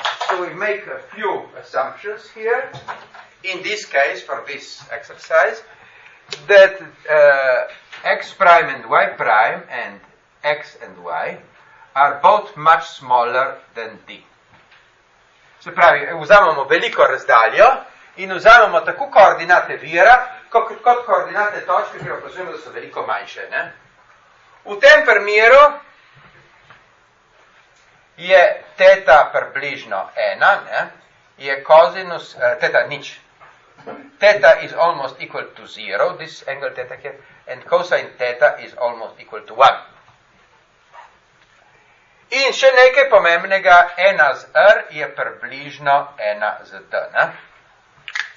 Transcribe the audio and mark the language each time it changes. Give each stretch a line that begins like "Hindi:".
English: So we make a few assumptions here, in this case, for this exercise, that x prime and y prime and x and y are both much smaller than d.
Slovenian: Se pravi, vzamemo veliko razdaljo in vzamemo tako koordinate vira, kot koordinate točke, ki opazujemo, da so veliko manjše, ne? V tem primeru je teta približno ena, ne? Je kozinus, teta nič.
English: Teta is almost equal to zero, this angle teta here, and cosine teta is almost equal to one.
Slovenian: In še nekaj pomembnega, ena z r je približno ena z d, ne?